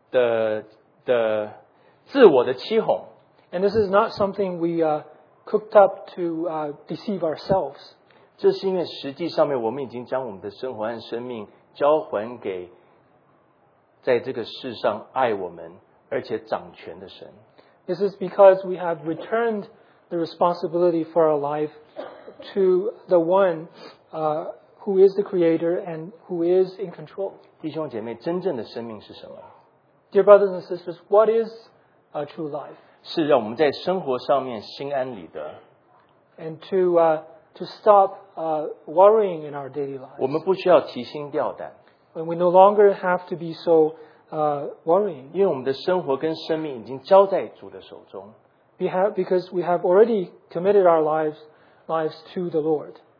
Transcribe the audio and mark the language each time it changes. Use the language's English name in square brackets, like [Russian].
[Chinese] 这个精神上面的自我的欺哄。 [English] And this is not something we cooked up to deceive ourselves. [Chinese] 这是因为实际上面我们已经将我们的生活和生命交还给在这个世上爱我们而且掌权的神。 [English] This is because we have returned the responsibility for our life to the one who is the creator and who is in control. [Chinese] 弟兄姐妹，真正的生命是什么？ [English] Dear brothers and sisters, what is a true life? [Chinese] 是让我们在生活上面心安理得。 [English] And to stop worrying in our daily lives. [Chinese] 我们不需要提心吊胆。 [English] And we no longer have to be so worrying. [Chinese] 因为我们的生活跟生命已经交在主的手中。 [English] Because we have already committed our lives to the Lord.